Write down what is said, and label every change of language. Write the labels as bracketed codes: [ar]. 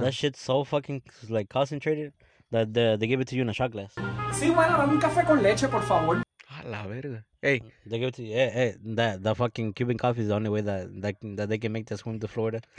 [en] That shit's so fucking, like, concentrated that they give it to you in a shot glass. [es] Sí, bueno, dame un café con leche, por favor. A la verga. Hey. [en] They give it to you. Hey, that fucking Cuban coffee is the only way that they can make this home to Florida.